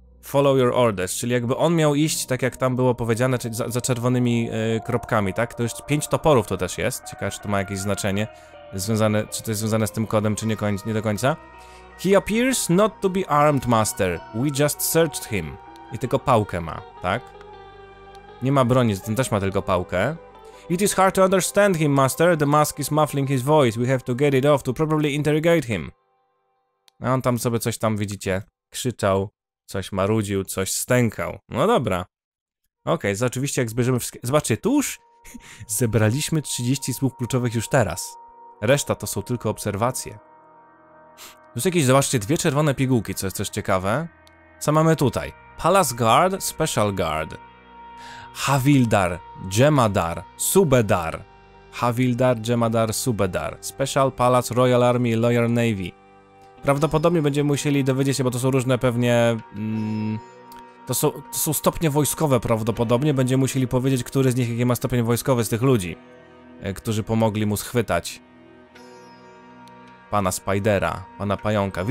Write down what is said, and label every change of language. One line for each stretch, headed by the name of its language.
English: Follow your orders,
Polish: czyli jakby on miał iść tak, jak tam było powiedziane, czyli za czerwonymi kropkami, tak? To już 5 toporów to też jest. Ciekawe, czy to ma jakieś znaczenie związane, czy to jest związane z tym kodem, czy nie do końca.
English: He appears not to be armed, master. We just searched him.
Polish: I tylko pałkę ma, tak? Nie ma broni, ten też ma tylko pałkę.
English: It is hard to understand him, master. The mask is muffling his voice. We have to get it off to properly interrogate him.
Polish: A on tam sobie coś tam, widzicie, krzyczał, coś marudził, coś stękał. No dobra. Okej, okay, oczywiście jak zbierzemy wszystkie... Zobaczcie, tuż Zebraliśmy 30 słów kluczowych już teraz. Reszta to są tylko obserwacje. Już jakieś, zobaczcie, dwie czerwone pigułki, co jest też ciekawe. Co mamy tutaj? Palace Guard, Special Guard. Havildar, Jemadar, Subedar. Havildar, Jemadar, Subedar.
English: Special Palace, Royal Army, Loyal Navy.
Polish: Prawdopodobnie będziemy musieli dowiedzieć się, bo to są różne pewnie... To są stopnie wojskowe prawdopodobnie. Będziemy musieli powiedzieć, który z nich jaki ma stopień wojskowy z tych ludzi, którzy pomogli mu schwytać pana Spidera, pana Pająka.